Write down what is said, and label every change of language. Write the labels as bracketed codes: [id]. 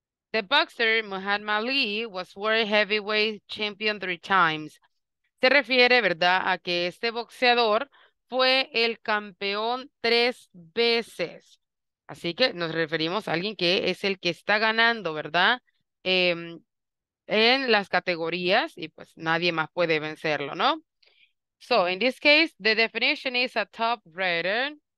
[en] The boxer Muhammad Ali was world heavyweight champion 3 times. [es] Se refiere, ¿verdad?, a que este boxeador fue el campeón 3 veces. Así que nos referimos a alguien que es el que está ganando, ¿verdad?, en las categorías y pues nadie más puede vencerlo, ¿no? [en] So, in this case, the definition is a top rider.